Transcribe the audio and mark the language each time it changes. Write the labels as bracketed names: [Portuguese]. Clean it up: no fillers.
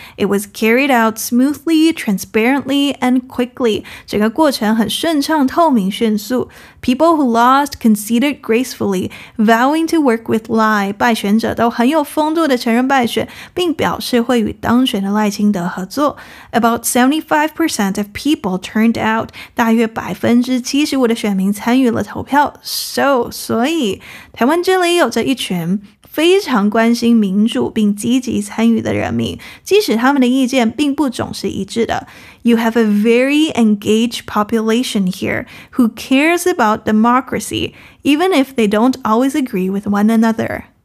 [English] It was carried out smoothly, transparently, and quickly. [Chinese] 整个过程很顺畅、透明、迅速。 [English] People who lost conceded gracefully, vowing to work with Lai. [Chinese] 败选者都很有风度地承认败选，并表示会与当选的赖清德合作。 [English] About 75% of people turned out. [Chinese] 大约75%的选民参与了投票。所以台湾这里有着一群非常关心民主并积极参与的人民，即使他们的意见并不总是一致的。 [English] You have a very engaged population here who cares about democracy, even if they don't always agree with one another.